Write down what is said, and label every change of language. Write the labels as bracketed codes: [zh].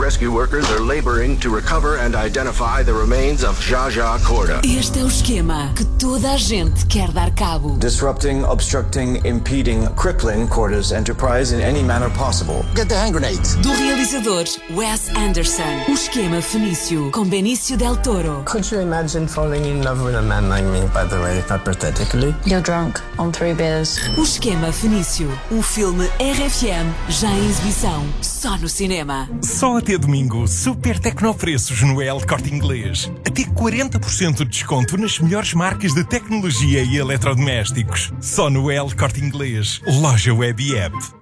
[en] Rescue workers are laboring to recover and identify the remains of Zsa Zsa Korda. [pt] Este é o esquema que toda a gente quer dar cabo. [en] Disrupting, obstructing, impeding, crippling Korda's enterprise in any manner possible. Get the hand grenades. [pt] Do realizador Wes Anderson. O esquema Fenício, com Benicio Del Toro. [en] Could you imagine falling in love with a man like me, by the way, hypothetically? You're drunk on three beers. [pt] O esquema Fenício. Um filme RFM, já em exibição, só no cinema. Só até domingo, super tecnopreços no El Corte Inglês. Até 40% de desconto nas melhores marcas de tecnologia e eletrodomésticos. Só no El Corte Inglês. Loja web e app.